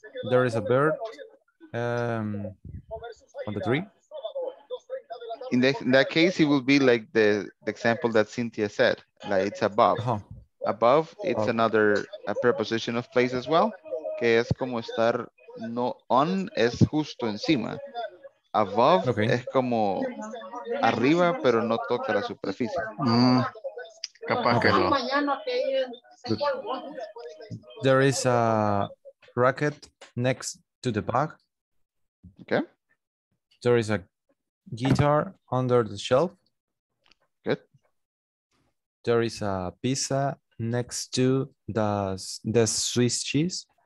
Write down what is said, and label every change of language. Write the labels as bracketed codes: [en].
[en] There is a bird on the tree. In that case, it would be like the example that Cynthia said, like it's above. Uh-huh. Above, it's uh-huh, another preposition of place as well. [es] Que es como estar, no, on es justo encima. Above, okay, es como arriba, pero no toca la superficie. Mm. Capaz que no. [en] There is a racket next to the bag. Okay. There is a guitar under the shelf. Good. There is a pizza next to the Swiss cheese.